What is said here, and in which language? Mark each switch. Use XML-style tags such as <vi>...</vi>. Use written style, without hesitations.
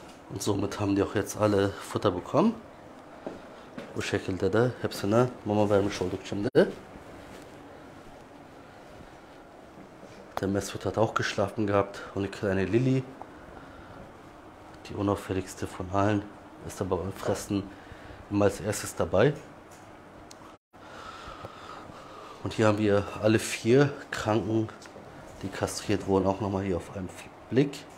<de>Und somit haben die auch jetzt alle Futter bekommen.</de> <tr>Bu şekilde de hepsine mama vermiş olduk şimdi.</tr> <de>Der Mesut hat auch geschlafen gehabt und die kleine Lilly, die unauffälligste von allen, ist aber beim Fressen immer als erstes dabei. Und hier haben wir alle vier Kranken, die kastriert wurden, auch nochmal hier auf einen Blick.</de>